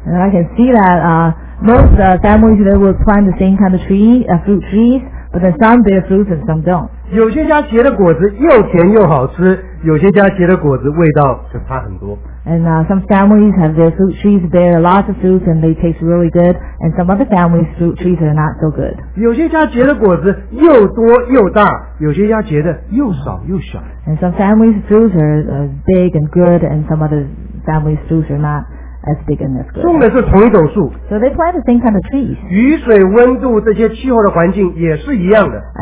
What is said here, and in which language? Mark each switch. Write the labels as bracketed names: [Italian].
[English] And I can see that most families they will plant the same kind of tree, fruit trees, but then some bear fruits and some don't. [Chinese] 有些家结的果子又甜又好吃，有些家结的果子味道就差很多。 [English] And some families have their fruit trees bear lots of fruits and they taste really good, and some other families' fruit trees are not so good. [Chinese] 有些家结的果子又多又大，有些家结的又少又小。 [English] And some families' fruits are big and good, and some other families' fruits are not as big and as good. [Chinese] 种的是同一种树。 [English] So they plant the same kind of trees. [Chinese] 雨水、温度这些气候的环境也是一样的。